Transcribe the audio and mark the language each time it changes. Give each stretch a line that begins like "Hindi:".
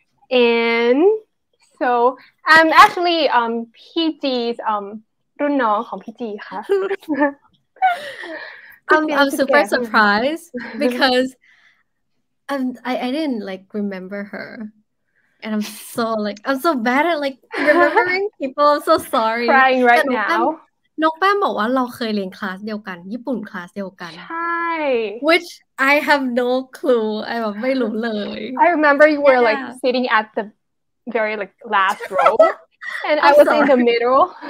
English: And so, I'm actually PG's
Thai: รุ่นน้องของ PG ค่ะ.
English: I'm super surprised because I didn't like remember her. And I'm so bad at like remembering people. I'm so sorry. Crying right now.
Thai: นกแป้มบอกว่าเราเคยเรียนคลาสเดียวกันญี่ปุ่นคลาสเดียวกัน ใช่
English: Which I have no clue. I don't know. I remember you were like sitting at the very like last row, and I was in the middle.